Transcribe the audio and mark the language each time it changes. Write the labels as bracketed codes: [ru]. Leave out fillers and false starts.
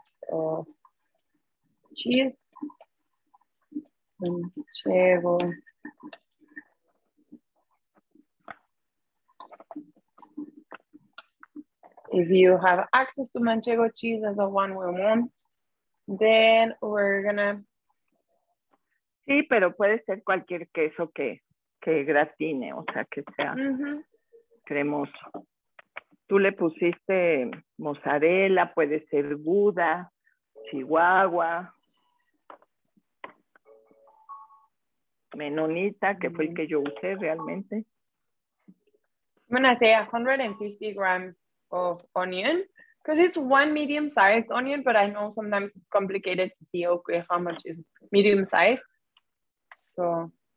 [en] Of cheese. Manchego. If you have access to manchego cheese, as the one we want, then we're gonna. [es] Sí, pero puede ser cualquier queso que gratine, o sea, que sea cremoso. Tú le pusiste mozzarella, puede ser gouda, chihuahua. Menonita, que fue el que yo usé realmente. [en] I'm going to say 150 grams of onion, because it's one medium-sized onion, but I know sometimes it's complicated to see, okay, how much is medium-sized. So...